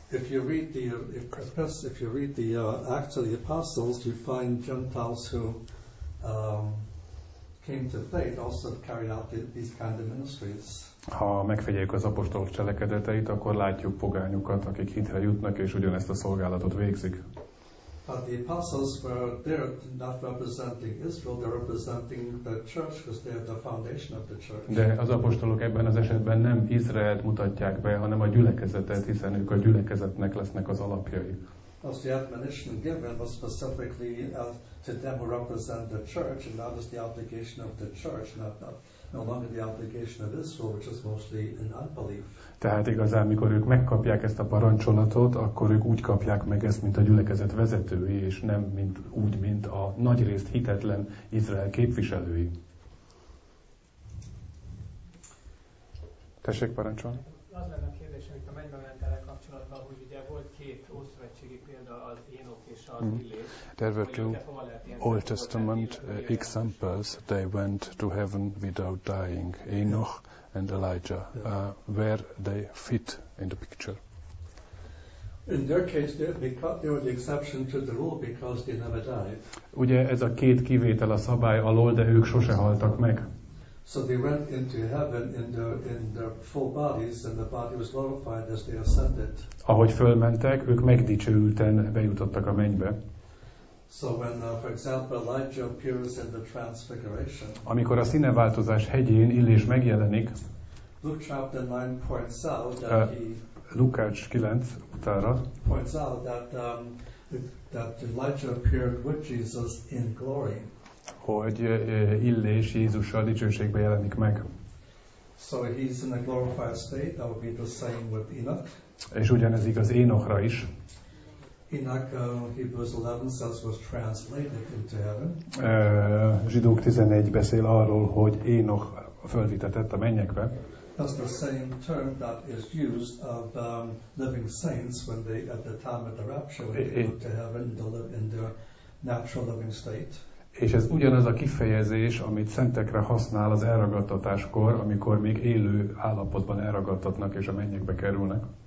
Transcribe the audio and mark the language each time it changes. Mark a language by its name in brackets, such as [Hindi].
[English] If you read the Acts of the Apostles, you find Gentiles who came to faith also carried out these kind of ministries. [Hungarian] Ha megfigyeljük az apostolok cselekedeteit, akkor látjuk pogányokat, akik hitre jutnak és ugyanezt a szolgálatot végzik. [English] But the apostles were there not representing Israel, they're representing the church, because they are the foundation of the church. [Hungarian] De az apostolok ebben az esetben nem Izraelt mutatják be, hanem a gyülekezetet, hiszen ők a gyülekezetnek lesznek az alapjai. [English] Also, the admonition given was specifically to them who represent the church, and that is the obligation of the church, not the obligation of Israel, which is mostly in unbelief. [Hungarian] Tehát igazán, mikor ők megkapják ezt a parancsolatot, akkor ők úgy kapják meg ezt, mint a gyülekezet vezetői, és nem mint úgy, mint a nagyrészt hitetlen Izrael képviselői. Tessék parancsolni. Az lenne a kérdés, amit a mennybe mentelek kapcsolatban, hogy ugye volt két ószövetségi példa, az Énok és az Illés. [English] There were two Old Testament examples. They went to heaven without dying. Enoch and Elijah. Where they fit in the picture? In their case, they were the exception to the rule because they never died. [Hungarian] Ugye ez a két kivétel a szabály alól, de ők sose haltak meg. [English] So they went into heaven in their full bodies, and the body was glorified as they ascended. [Hungarian] Ahogy fölmentek, ők megdicsőülten bejutottak a mennybe. [English] So when, for example, Elijah appears in the transfiguration. [Hungarian] Amikor a színeváltozás hegyén Illés megjelenik. [English] Luke chapter 9 points out that [Hungarian] Lukács 9 utára [English] points out that Elijah appeared with Jesus in glory. [Hungarian] Hogy Illés Jézussal dicsőségbe jelenik meg. [English] So he's in a glorified state. That would be the same with Enoch. [Hungarian] És ugyanez igaz Énochra is. [English] Enoch, Hebrews 11 says, was translated into heaven. [Hungarian] Zsidók 11 beszél arról, hogy Énoch földítetett a mennyekbe. [English] That's the same term that is used of living saints when they, at the time of the rapture, when they go to heaven, they live in their natural living state. [Hungarian] És ez ugyanaz a kifejezés, amit szentekre használ az elragadtatáskor, amikor még élő állapotban elragadtatnak és a mennyekbe kerülnek.